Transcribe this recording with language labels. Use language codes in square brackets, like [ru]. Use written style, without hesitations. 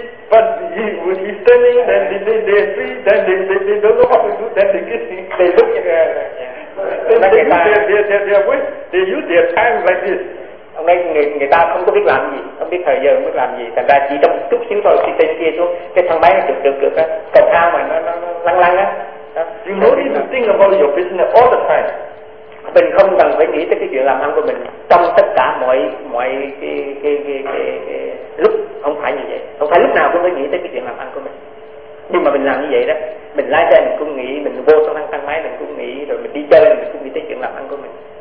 [en] But he was standing, then they see, then they don't know what to do, then they look at they use their time like this. [vi] Ông nói người ta không có biết làm gì, không biết thời giờ, không biết làm gì. Thành ra chỉ trong một chút xíu thôi, khi tên kia xuống, cái thang máy nó được á, cầu thang mà nó lăn lăn á. [en] You know you need to think about your business all the time. [vi] Mình không cần phải nghĩ tới cái chuyện làm ăn của mình trong tất cả mọi cái lúc, không phải như vậy. Không phải lúc nào cũng phải nghĩ tới cái chuyện làm ăn của mình. Nhưng mà mình làm như vậy đó, mình lái xe mình cũng nghĩ, mình vô trong thang máy mình cũng nghĩ, rồi mình đi chơi mình cũng nghĩ tới chuyện làm ăn của mình.